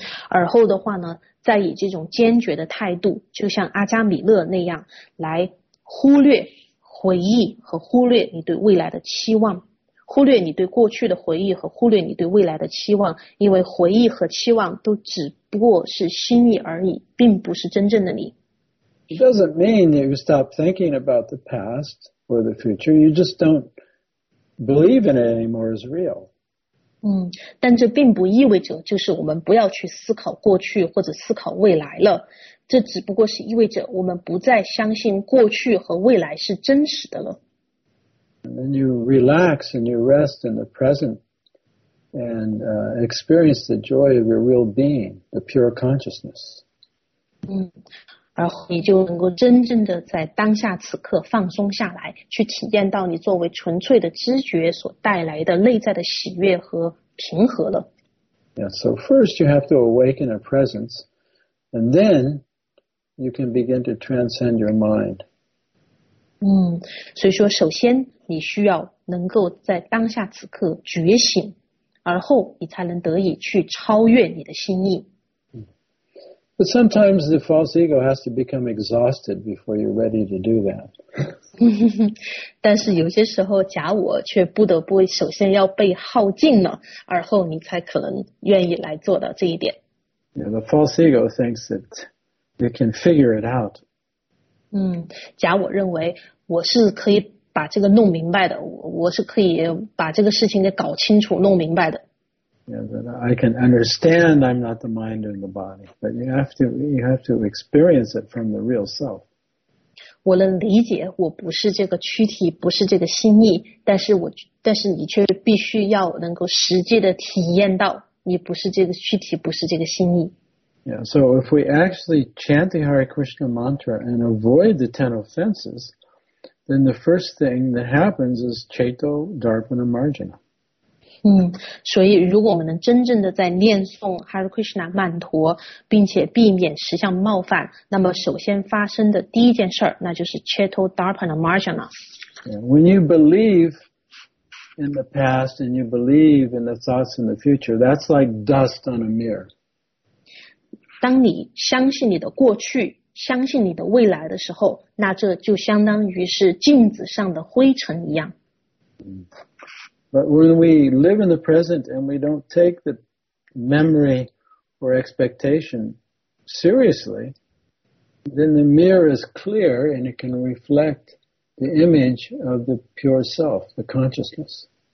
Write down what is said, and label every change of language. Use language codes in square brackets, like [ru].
[zh] 而后的话呢，再以这种坚决的态度，就像阿加米勒那样，来忽略回忆和忽略你对未来的期望，忽略你对过去的回忆和忽略你对未来的期望，因为回忆和期望都只不过是心意而已，并不是真正的你。 [en] It doesn't mean that you stop thinking about the past or the future. You just don't believe in it anymore as real. [zh] 但这并不意味着就是我们不要去思考过去或者思考未来了，这只不过是意味着我们不再相信过去和未来是真实的了。 [en] And then you relax and you rest in the present and experience the joy of your real being, the pure consciousness. [zh] 然后你就能够真正的在当下此刻放松下来，去体验到你作为纯粹的知觉所带来的内在的喜悦和平和了。 [en] Yeah, so first you have to awaken a presence, and then you can begin to transcend your mind. [zh] 所以说首先你需要能够在当下此刻觉醒，而后你才能得以去超越你的心意。 [en] But sometimes the false ego has to become exhausted before you're ready to do that. [zh] 但是有些时候假我却不得不首先要被耗尽了，而后你才可能愿意来做到这一点。 [en] Yeah, the false ego thinks that you can figure it out. [zh] 假我认为我是可以把这个弄明白的，我是可以把这个事情给搞清楚弄明白的。 [en] Yeah, that I can understand I'm not the mind and the body, but you have to experience it from the real self. [zh] 我能理解我不是这个躯体，不是这个心意，但是你却必须要能够实际的体验到你不是这个躯体，不是这个心意。 [en] Yeah, so if we actually chant the Hare Krishna mantra and avoid the 10 offenses, then the first thing that happens is [sa] chaito dharpana marjana. [zh] 所以如果我们能真正的在念诵 Hare Krishna 曼陀，并且避免实相冒犯，那么首先发生的第一件事那就是 [sa] Chetto Dharpana Marjana。 [en] When you believe in the past and you believe in the thoughts in the future, that's like dust on a mirror. [zh] 当你相信你的过去，相信你的未来的时候，那这就相当于是镜子上的灰尘一样。 [en] But when we live in the present and we don't take the memory or expectation seriously, then the mirror is clear and it can reflect the image of the pure self, the consciousness.